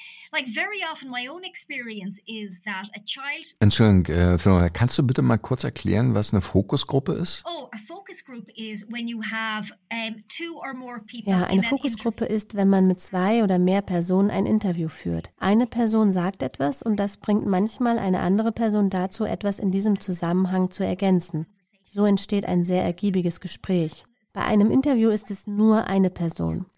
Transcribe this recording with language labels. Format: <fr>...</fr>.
<en>Like very often my own experience is that a child.</en> <de>Entschuldigung, Fiona, kannst du bitte mal kurz erklären, was eine Fokusgruppe ist?</de> <en>Oh, a focus group is when you have two or more people.</en> <de>Ja, eine Fokusgruppe ist, wenn man mit zwei oder mehr Personen ein Interview führt. Eine Person sagt etwas und das bringt manchmal eine andere Person dazu, etwas in diesem Zusammenhang zu ergänzen. So entsteht ein sehr ergiebiges Gespräch. Bei einem Interview ist es nur eine Person.</de>